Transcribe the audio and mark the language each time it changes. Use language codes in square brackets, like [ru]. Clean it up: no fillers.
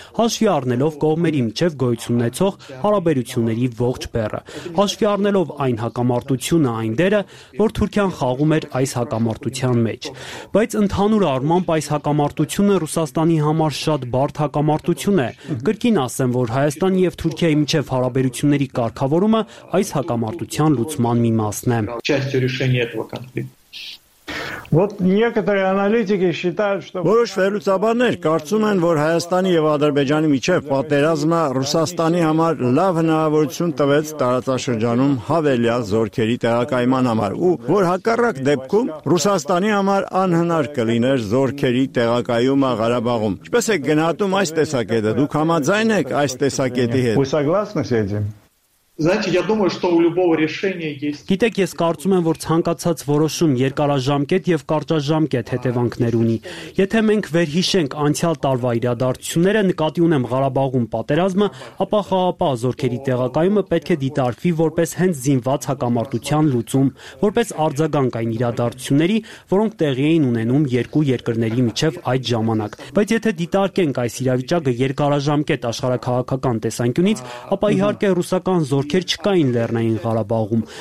[hy] հաշվի առնելով կողմերի միջև գոյություն ունեցող հարաբերությունների ողջ բեռը, հաշվի առնելով այն հակամարտությունը, այն դերը, որ Թուրքիան խաղում էր այս հակամարտության մեջ։ Բայց ընդհանուր առմամբ այս հակամարտությունը Ռուսաստանի համար շատ բարդ հակամարտություն է։ Կրկին ասեմ, որ Հայաստանի և Թուրքիայի միջև հարաբերությունների կարգավորումը այս հակամարտության լուծման մի մասն է, [ru] частью решения этого конфликта. Вот некоторые аналитики считают, что [hy] Որոշ վերլուծաբաններ կարծում են, որ Հայաստանի եւ Ադրբեջանի միջև պատերազմը Ռուսաստանի համար լավ հնարավորություն տվեց տարածաշրջանում հավելյալ զորքերի տեղակայման համար, ու որ հակառակ դեպքում Ռուսաստանի համար անհնար կլիներ զորքերի տեղակայումը Ղարաբաղում։ Ինչպես եք գնահատում այս տեսակետը, դուք համաձայն եք այս տեսակետի հետ։ [ru] Знаете, я думаю, что у любого решения есть. [hy] Գիտեք, ես կարծում եմ, որ ցանկացած որոշում երկարաժամկետ եւ կարճաժամկետ հետևանքներ ունի։ Եթե մենք վերհիշենք անցյալ տարվա իրադարձությունները, նկատի ունեմ Ղարաբաղում պատերազմը, ապա խաղապահ զորքերի տեղակայումը պետք է դիտարկվի որպես հենց զինված հակամարտության լուծում, որպես արձագանք այն իրադարձությունների, որոնք տեղի էին ունենում երկու երկրների միջև այդ ժամանակ։ Բայց եթե դիտարկենք այս իրավիճակը երկարաժամկետ աշխարհակահաղական տեսանկյունից, ապա իհարկե ռուսական զորքեր չկային Լեռնային Ղարաբաղում,